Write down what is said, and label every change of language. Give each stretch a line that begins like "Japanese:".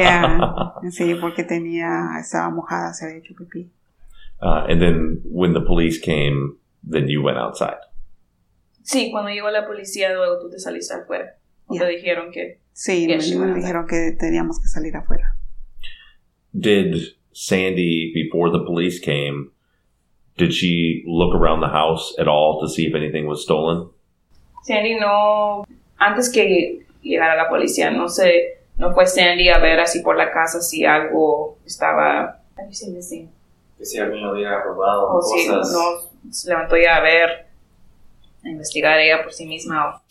English: Yeah.
Spanish: Sí, porque tenía, estaba mojada, se había hecho pipí.
English: And then when the police came, then you went outside.
Spanish: Sí, cuando llegó la policía, luego tú te saliste afuera.
English: Yeah.
Spanish: Te dijeron que... Sí, me dijeron que teníamos que salir afuera.
English: Did Sandy, before the police came, did she look around the house at all to see if anything was stolen?
Spanish: Sandy no, antes que llegara la policía, no fue Sandy a ver así por la casa si algo estaba, que si alguien había robado cosas. Si no, se levantó ya a ver. A investigar ella por sí misma.